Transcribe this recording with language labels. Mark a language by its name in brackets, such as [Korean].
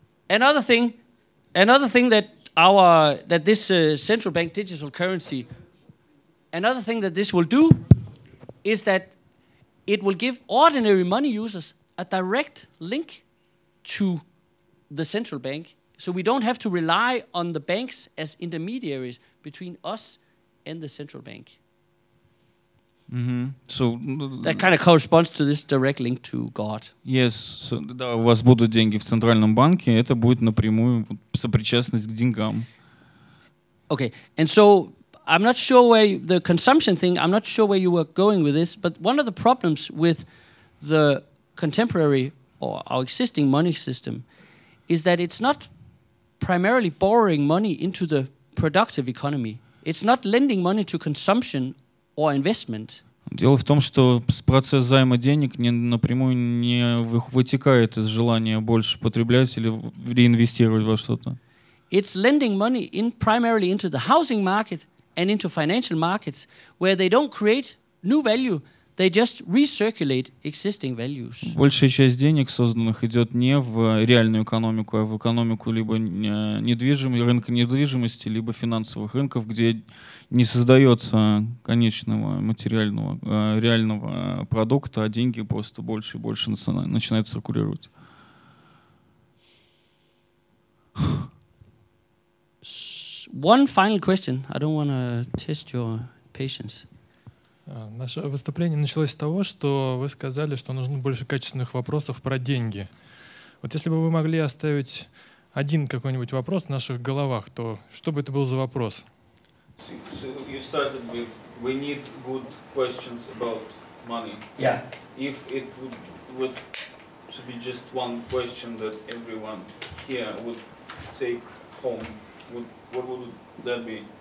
[English] Another thing that this central bank digital currency, another thing that this will do is that it will give ordinary money users a direct link to the central bank, so we don't have to rely on the banks as intermediaries between us and the central bank. Mm-hmm. So that kind of corresponds to this direct link to God. Yes. [Russian] So, да, у вас будут деньги в центральном банке, это будет напрямую сопричастность к деньгам. [English] Okay. And so I'm not sure where you, the consumption thing. I'm not sure where you were going with this. But one of the problems with the contemporary or our existing money system is that it's not primarily borrowing money into the productive economy. It's not lending money to consumption or investment. [Russian] Дело в том, что процесс займа денег не, напрямую не вытекает из желания больше потреблять или реинвестировать во что-то. [English] It's lending money in primarily into the housing market and into financial markets, where they don't create new value, they just recirculate existing values. [Russian] Большая часть денег, созданных, идет не в реальную экономику, а в экономику либо недвижимости, рынка недвижимости, либо финансовых рынков, где не создается конечного материального, реального продукта, а деньги просто больше и больше начинают циркулировать. [English] One final question. I don't want to test your patience. [Russian] Наше выступление началось с того, что вы сказали, что нужно больше качественных вопросов про деньги. Вот если бы вы могли оставить один какой-нибудь вопрос в наших головах, то что бы это был за вопрос? [English] So you started with we need good questions about money. Yeah. If it would to be just one question that everyone here would take home, would what would that be?